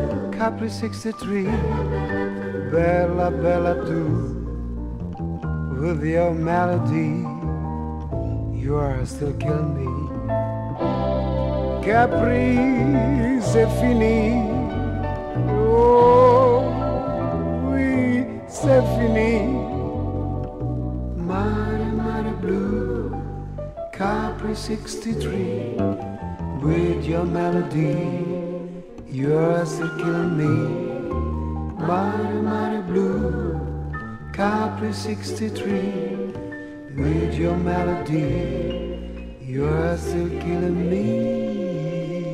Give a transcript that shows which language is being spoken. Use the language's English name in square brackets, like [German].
[English] Capri 63, [Italian] bella, bella [English] too, with your melody, you are still killing me. [French] Capri, c'est fini, oh, oui, c'est fini. [Italian] Mare, mare [English] blue, Capri 63, with your melody, you're still killing me. [Italian] Mare, mare [English] blue, Capri 63, with your melody, you're still killing me.